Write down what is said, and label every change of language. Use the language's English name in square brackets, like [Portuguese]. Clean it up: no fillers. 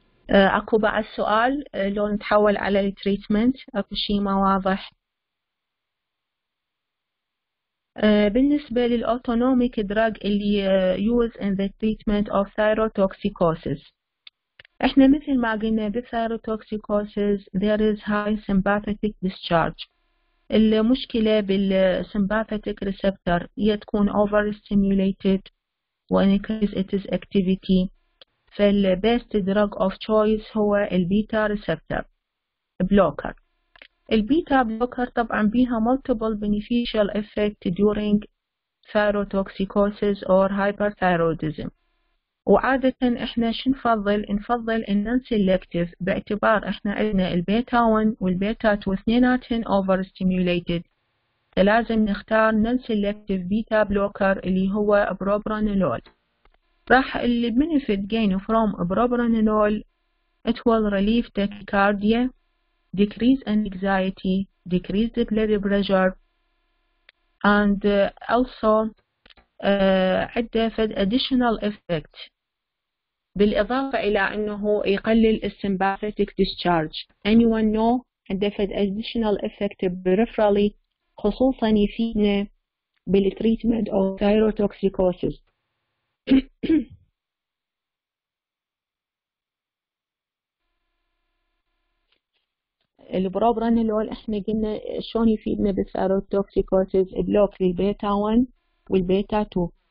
[Arabic] اكو بعد السؤال لو نتحول على التريتمنت، اكو شيء ما واضح؟ بالنسبة للأوتونوميك دراج اللي يوز ان ذا تريتمنت اوف ثايروتوكسيكوسيس، احنا مثل ما قلنا بالثايروتوكسيكوسيس [English] there is high sympathetic discharge. [Arabic] المشكلة [English] بالsympathetic receptor هي تكون over stimulated when increase its activity. فالبيست دراج اوف تشويس هو البيتا ريسبتر بلوكر. [Arabic] البيتا بلوكر طبعا بيها multiple beneficial effect during thyrotoxicosis or hyperthyroidism، وعادة احنا شو نفضل؟ نفضل ان non-selective باعتبار احنا عندنا البيتا 1 والبيتا 2 اثنيناتهم over stimulated، فلازم نختار non-selective بيتا بلوكر اللي هو بروبرانولول. [English] راح اللي benefit gain from propranolol it will relieve tachycardia, decrease anxiety, decrease the blood pressure, and also عدة فد additional effect [Arabic] بالإضافة إلى أنه يقلل sympathetic [English] discharge. [Arabic] Anyone know عدة فد additional effect peripherally خصوصا يفيدنا بالtreatment of thyrotoxicosis؟ البروبرانولول احنا قلنا شلون يفيدنا بالثايروتوكسيكوسيس، بلوك البيتا 1 والبيتا 2.